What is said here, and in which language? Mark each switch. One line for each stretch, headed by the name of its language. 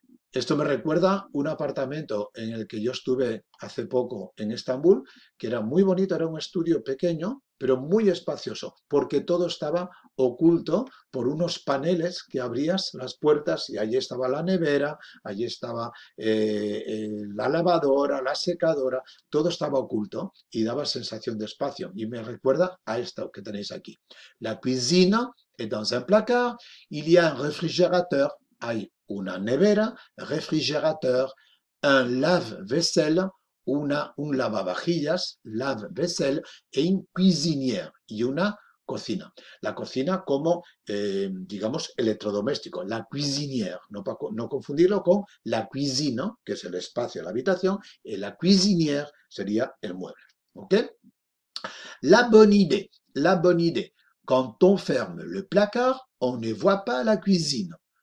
Spanish: Esto me recuerda un apartamento en el que yo estuve hace poco en Estambul, que era muy bonito, era un estudio pequeño, pero muy espacioso, porque todo estaba oculto por unos paneles que abrías las puertas y allí estaba la nevera, allí estaba la lavadora, la secadora, todo estaba oculto y daba sensación de espacio. Y me recuerda a esto que tenéis aquí.
French: La cuisine est dans un placard, il y a un réfrigérateur, ahí.
Spanish: Una nevera, refrigerateur, un lave-vaisselle, un lavavajillas, lave-vaisselle,
French: et une cuisinière,
Spanish: y una cocina. La cocina como, digamos, electrodoméstico, la cuisinière, no, para, no confundirlo con la cuisine, que es el espacio, la habitación, y la cuisinière sería el mueble. ¿Okay?
French: La bonne idée, la bonne idée. Quand on ferme le placard, on ne voit pas la cuisine.